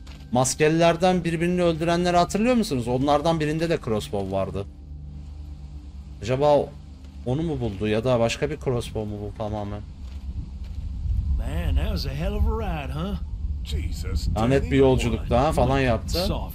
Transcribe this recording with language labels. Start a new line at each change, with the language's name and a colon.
Turkish: Maskelilerden birbirini öldürenleri hatırlıyor musunuz? Onlardan birinde de crossbow vardı. Acaba onu mu buldu ya da başka bir crossbow mu bu tamamen?
English: Man, that was a hell of a ride, huh? Jesus.
Turkish: Lanet bir yolculukta falan yaptı.